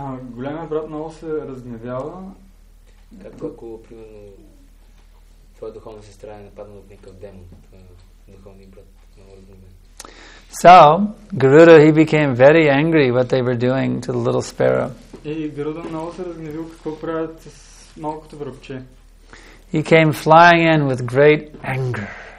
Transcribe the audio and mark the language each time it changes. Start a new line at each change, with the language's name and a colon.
Bulgarian: Големият брат много се разгневява. Ако, примерно, твоя духовна сестра е нападна от някакъв демон, духовния брат много разгневява.
English: So, Garuda, he became very angry what they were doing to the little sparrow.
Bulgarian: И Garuda много се разгневил какво правят с малкото връбче.
English: He came flying in with great anger.